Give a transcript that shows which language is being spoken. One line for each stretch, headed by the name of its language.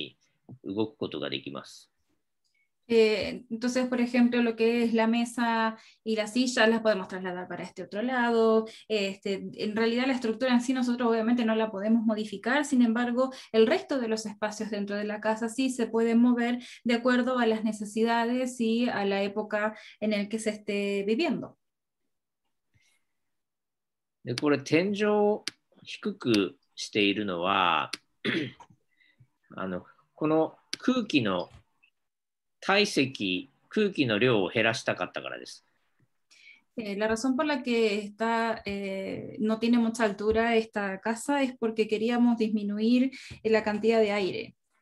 Japanese: この写真ではここにテーブルと椅子が映ってるあるけど、これが突然こっちに移動することもあったり、この辺がこっちに移動してきたり、常に設備は動かせないんだけど、それ以外のこっちのスペースはその時々の暮らし方ですごく自由に動くことができます。
Spanish: Entonces, por ejemplo, lo que es la mesa y las sillas las podemos trasladar para este otro lado. En realidad la estructura en sí nosotros obviamente no la podemos modificar, sin embargo, el resto de los espacios dentro de la casa sí se pueden mover de acuerdo a las necesidades y a la época en la que se esté viviendo.
Japanese: この天井を低くしているのは、この空気の 体積、空気の量を減らしたかったからです。
Spanish: La razón por la que está, no tiene mucha altura esta casa es porque queríamos disminuir la cantidad de aire.